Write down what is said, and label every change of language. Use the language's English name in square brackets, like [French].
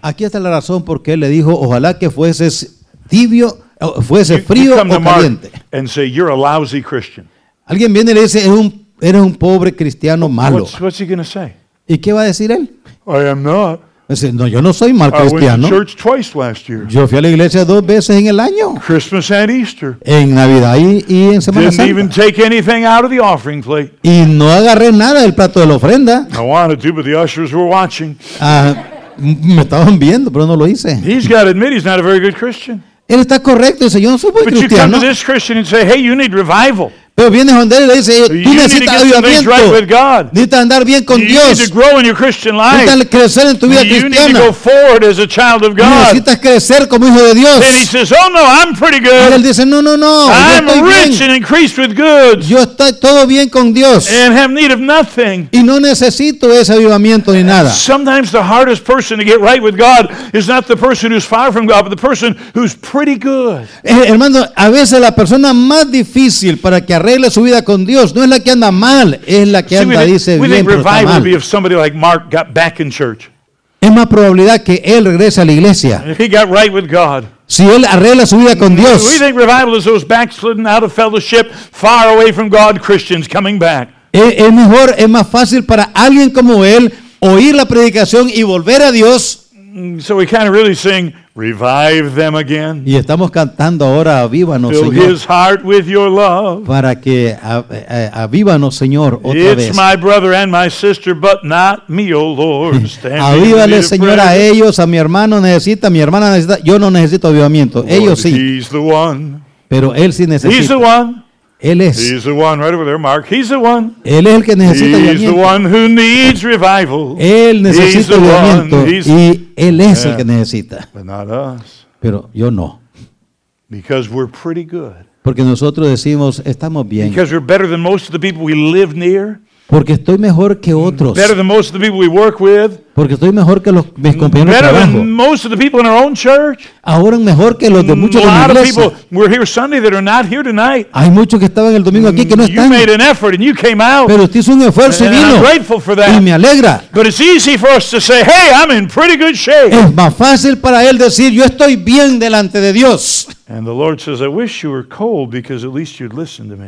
[Spanish] Aquí está la razón por qué le dijo, ojalá que fueses tibio. [English] You come to Mark and say, you're a lousy Christian. [Spanish] Alguien viene y le dice, es un Eres un pobre cristiano malo. [English] What's he gonna say? [Spanish] ¿Y qué va a decir él? [English] I am not. [Spanish] Dice, no, yo no soy mal cristiano. [English] I went to church twice last year. [Spanish] Yo fui a la iglesia dos veces en el año. [English] Christmas and Easter. [Spanish] En Navidad y en Semana [English] Didn't [Spanish] Santa. [English] Even take anything out of the offering plate. [Spanish] Y no agarré nada del plato de la ofrenda. [English] I wanted to, but the ushers were watching. [Spanish] Me estaban viendo, pero no lo hice. [English] He's got to admit he's not a very good Christian. [Spanish] Él está correcto, dice, yo no soy buen [English] but [Spanish] cristiano. [English] But you come to this Christian and say, hey, you need revival. [Spanish] Pero viene donde él y le dice, tú necesitas avivamiento. [English] Right, [Spanish] necesitas andar bien con Dios. Necesitas crecer en tu vida cristiana. Necesitas crecer como hijo de Dios. [English] And he says, oh, no, I'm pretty good. [Spanish] Y él dice, no. [English] I'm rich and increased with goods. [Spanish] Yo estoy todo bien con Dios. [English] And have need of nothing. [Spanish] Y no necesito ese avivamiento ni nada. [English] Sometimes the hardest person to get right with God is not the person who's far from God, but the person who's pretty good. [Spanish] Hermano, a veces la persona más difícil para que arregle su vida con Dios no es la que anda mal, es la que anda, dice bien, pero está mal. Es más probabilidad que él regrese a la iglesia si él arregla su vida con Dios. [English] We think revival is those backslidden out of fellowship, far away from God Christians coming back. [Spanish] Es mejor, es más fácil para alguien como él oír la predicación y volver a Dios. [English] So we kind of really sing, revive them again. [Spanish] Y estamos cantando ahora, avívanos, [English] fill [Spanish] Señor. [English] Fill his heart with your love. [Spanish] Para que avívanos, Señor, otra [English] it's [Spanish] vez. [English] It's my brother and my sister, but not me, oh Lord. [Spanish] Avívale, Señor, a ellos, a mi hermano necesita, mi hermana necesita. Yo no necesito avivamiento, [English] Lord, [Spanish] ellos sí. [English] He's the one. [Spanish] Pero él sí necesita. [English] He's the one. [Spanish] Él es. [English] He's the one right over there, Mark. He's the one. [Spanish] Él es el que necesita [English] He's [Spanish] avivamiento. [English] The one who needs revival. [Spanish] Él necesita [English] He's [Spanish] avivamiento. Y él es el que necesita. [English] But not us. [Spanish] Pero yo no. [English] Because we're pretty good. [Spanish] Porque nosotros decimos, estamos bien. [English] Because we're better than most of the people we live near. [Spanish] Porque estoy mejor que otros. [English] Better than most of the people we work with. [Spanish] Porque estoy mejor que los mis compañeros [English] better [Spanish] de trabajo. [English] Better than most of the people in our own church. [Spanish] Ahora mejor que los de muchos de mi iglesia. [English] A lot of people were here Sunday that are not here tonight. [Spanish] Hay muchos que estaban el domingo aquí que no están. [English] You made an effort and you came out. [Spanish] Pero usted hizo un esfuerzo [English] and [Spanish] y vino. [English] I'm grateful for that. [Spanish] Y me alegra. [English] But it's easy for us to say, hey, I'm in pretty good shape. [Spanish] Es más fácil para él decir, yo estoy bien delante de Dios. [English] And the Lord says, I wish you were cold because at least you'd listen to me.